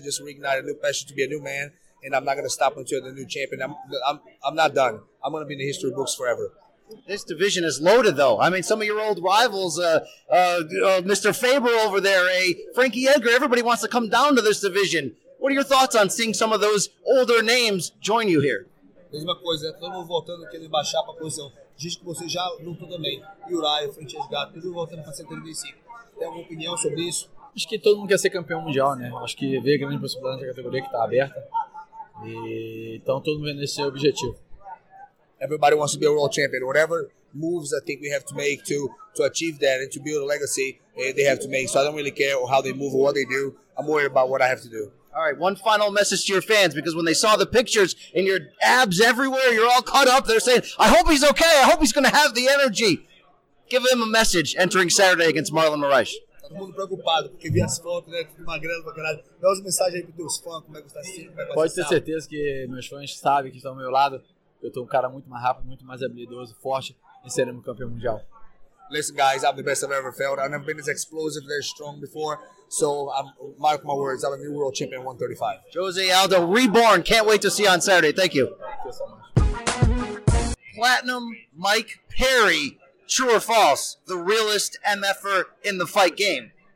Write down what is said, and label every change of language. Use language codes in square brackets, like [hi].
[en] It just reignited a new passion to be a new man, and I'm not going to stop until the new champion. I'm not done. I'm going to be in the history books forever. This division is loaded, though. I mean, some of your old rivals, Mr. Faber over there, Frankie Edgar, everybody wants to come down to this division. What are your thoughts on seeing some of those older names join you here? [pt] Mesma coisa, todo mundo voltando aqui baixar para a posição. Diz que você já lutou também. E o Raio, o Frente Esgato, tudo voltando para 135. Tem alguma opinião sobre isso? Acho que todo mundo quer ser campeão mundial, né? Acho que veio a grande possibilidade da categoria que está aberta. E então todo mundo vê nesse objetivo. [en] Everybody wants to be a world champion. Whatever moves I think we have to make to achieve that and to build a legacy, they have to make. So I don't really care how they move or what they do. I'm worried about what I have to do. All right, one final message to your fans, because when they saw the pictures and your abs everywhere, you're all cut up, they're saying, I hope he's okay. I hope he's going to have the energy. Give him a message entering Saturday against Marlon Moraes. [pt] Todo mundo preocupado, porque vi as fotos, né? Tudo magrelo pra caralho. Dá umas mensagens aí pros teus fãs, como é que você tá assistindo. Pode ter certeza que meus fãs sabem que estão ao meu lado. Eu tô um cara muito mais rápido, muito mais habilidoso, forte, e seremos campeão mundial. [en] Listen, guys, I'm the best I've ever felt. I've never been as explosive, as strong before. So, mark my words, I'm a new world champion 135. Jose Aldo, reborn. Can't wait to see you on Saturday. Thank you. Thank you so much. Platinum Mike Perry, true or false, the realest MF-er in the fight game?